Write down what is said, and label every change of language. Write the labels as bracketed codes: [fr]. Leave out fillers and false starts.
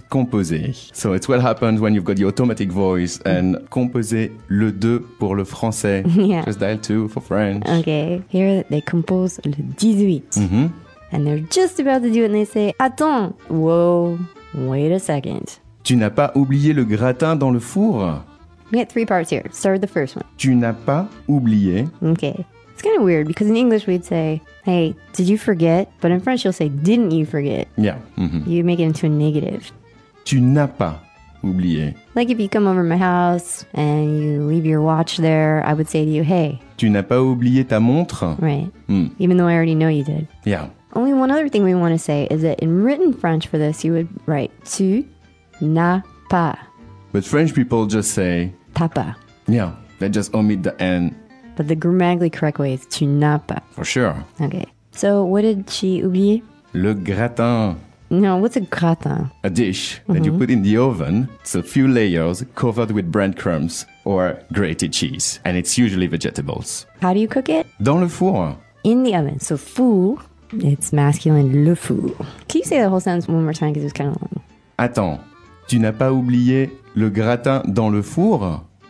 [en] composer. So it's what happens when you've got the automatic voice and [fr] composer le 2 pour le français. [en] Yeah. Just dial 2 for French. Okay, here they [fr] compose le 18. Mm-hmm. [en] And they're just about to do it and they say, [fr] attends, [en] whoa, wait a second. [fr] Tu n'as pas oublié le gratin dans le four? [en] We have three parts here. Start with the first one. [fr] Tu n'as pas oublié. [en] Okay. It's kind of weird because in English we'd say, hey, did you forget? But in French you'll say, didn't you forget? Yeah. Mm-hmm. You make it into a negative. [fr] Tu n'as pas oublié. [en] Like if you come over to my house and you leave your watch there, I would say to you, hey. [fr] Tu n'as pas oublié ta montre? [en] Right. Mm. Even though I already know you did. Yeah. Only one other thing we want to say is that in written French for this, you would write, [fr] tu n'as pas. [en] But French people just say... [fr] Tapa. [en] Yeah, they just omit the N. But the grammatically correct way is [fr] tu n'as pas. [en] For sure. Okay. So what did she oublier? [fr] Le gratin. [en] No, what's a gratin? A dish that you put in the oven. It's a few layers covered with breadcrumbs or grated cheese. And it's usually vegetables. How do you cook it? [fr] Dans le four. [en] In the oven. So four, it's masculine, [fr] le four. [en] Can you say the whole sentence one more time because it was kind of long? [fr] Attends. Tu n'as pas oublié le gratin dans le four?